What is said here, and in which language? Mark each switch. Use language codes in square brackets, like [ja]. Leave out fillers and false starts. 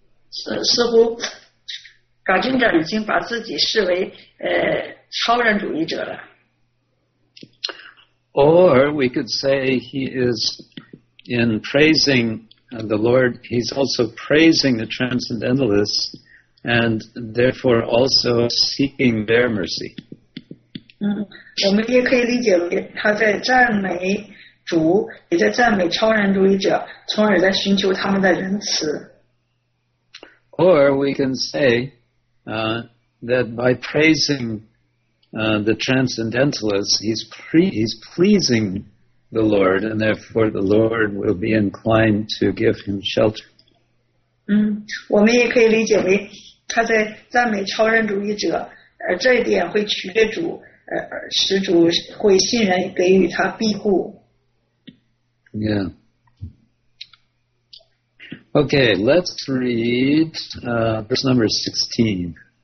[zh] 似乎 Gajendra 已经把自己视为超然主义者了。 [en] Or we could say he is in praising the Lord, he's also praising the transcendentalists and therefore also seeking their mercy. [zh] 我们也可以理解为他在赞美主，也在赞美超然主义者，从而在寻求他们的仁慈。 [en] Or we can say that by praising the transcendentalist, he's pleasing the Lord, and therefore the Lord will be inclined to give him shelter. [zh] 我们也可以理解为他在赞美超然主义者，这一点会取悦主，使主会欣然给予他庇护。 [en] Yeah. Okay, let's read verse number 16.